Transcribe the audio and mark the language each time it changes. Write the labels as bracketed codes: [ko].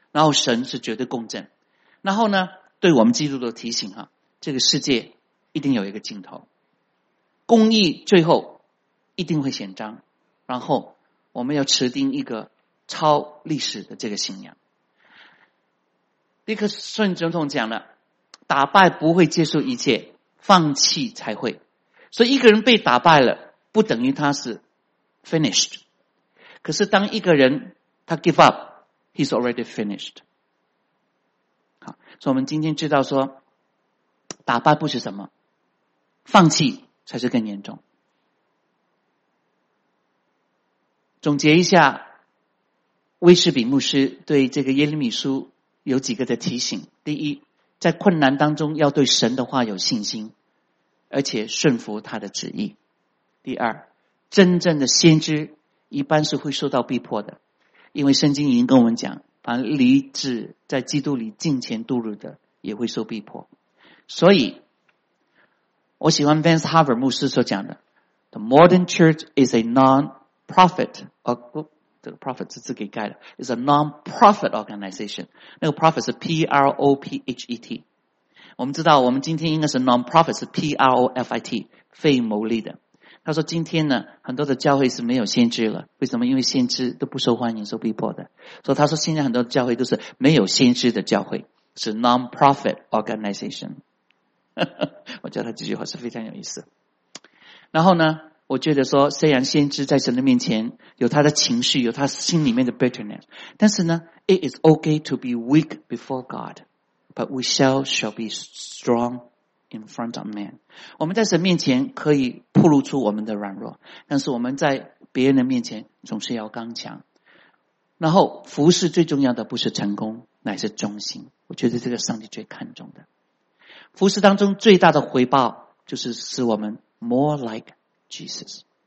[zh] 然后神是绝对公正。然后呢，对我们基督徒的提醒啊，这个世界一定有一个尽头，公义最后一定会显彰，然后我们要持定一个超历史的这个信仰。尼克逊总统讲了，打败不会接受一切，放弃才会。所以一个人被打败了，不等于他是 finished。可是当一个人他 [en] give up, he's already finished。 [zh] 好，所以我们今天知道说，打败不是什么，放弃才是更严重。总结一下威士比牧师对这个耶利米书有几个的提醒。第一，在困难当中要对神的话有信心，而且顺服他的旨意。第二，真正的先知一般是会受到逼迫的，因为圣经已经跟我们讲，凡立志在基督里敬虔度日的也会受逼迫。所以我喜欢 Vance Harper 牧师所讲的， [en] The modern church is a non-profit organization。 [zh] 这个 prophet 是自己盖的， [en] is a non-profit organization。 [zh] 那个 prophet 是 P-R-O-P-H-E-T。我们知道我们今天应该是 non-profit， 是 P-R-O-F-I-T， 非牟利的。他说今天呢，很多的教会是没有先知了，为什么？因为先知都不受欢迎，受逼迫的。所以他说现在很多教会都是没有先知的教会，是 non-profit organization。我觉得他这句话是非常有意思。然后呢，我觉得说虽然先知在神的面前有他的情绪，有他心里面的 bitterness， 但是呢 [en] It is okay to be weak before God， but we shall be strong in front of man。 [zh] 我们在神面前可以暴露出我们的软弱，但是我们在别人的面前总是要刚强。然后服事最重要的不是成功，乃是忠心。我觉得这个上帝最看重的服事当中最大的回报，就是使我们 [en] more like Jesus。